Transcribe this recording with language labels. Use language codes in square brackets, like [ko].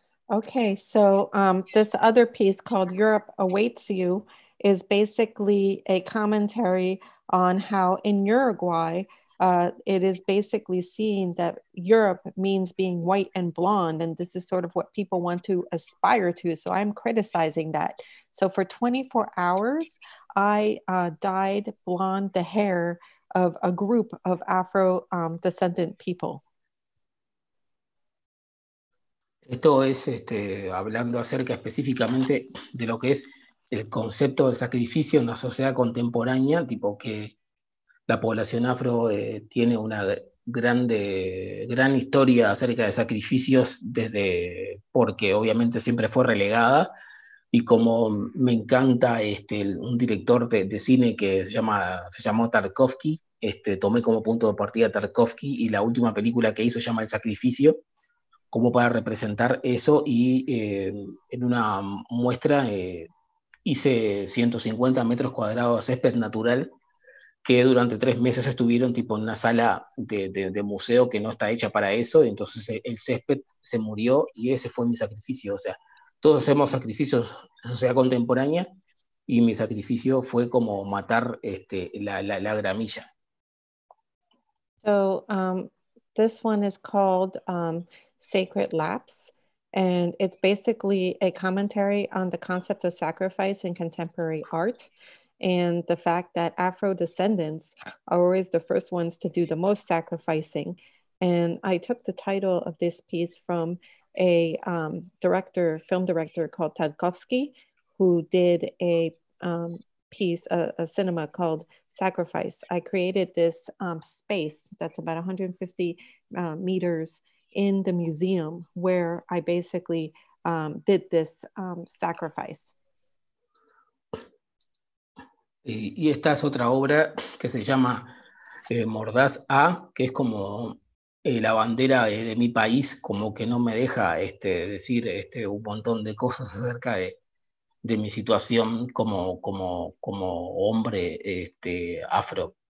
[en] Okay, so this other piece called Europe Awaits You is basically a commentary on how in Uruguay, it is basically seen that Europe means being white and blonde, and this is sort of what people want to aspire to, so I'm criticizing that. So for 24 hours, I dyed blonde the hair of a group of Afro descendant people. [es] Esto es hablando acerca específicamente de lo que es el concepto de sacrificio en la sociedad contemporánea, tipo que la población afro tiene una gran historia acerca de sacrificios, desde porque obviamente siempre fue relegada, y como me encanta un director de cine que se llamó Tarkovsky, tomé como punto de partida Tarkovsky, y la última película que hizo se llama El Sacrificio, como para representar eso, y en una muestra hice 150 metros cuadrados de césped natural, que durante 3 meses estuvieron tipo en una sala de museo que no está hecha para eso, y entonces el césped se murió, y ese fue mi sacrificio. O sea, todos hacemos sacrificios en sociedad contemporánea, y mi sacrificio fue como matar la gramilla. [en] So, this one is called Sacred Lapse, and it's basically a commentary on the concept of sacrifice in contemporary art and the fact that Afro descendants are always the first ones to do the most sacrificing. And I took the title of this piece from a film director called Tarkovsky, who did a piece, a cinema called Sacrifice. I created this space that's about 150 meters in the museum where I basically did this sacrifice. [es] Y esta es otra obra que se llama Mordaz A, que es como la bandera de mi país, como que no me deja decir un montón de cosas acerca de mi situación como hombre afro.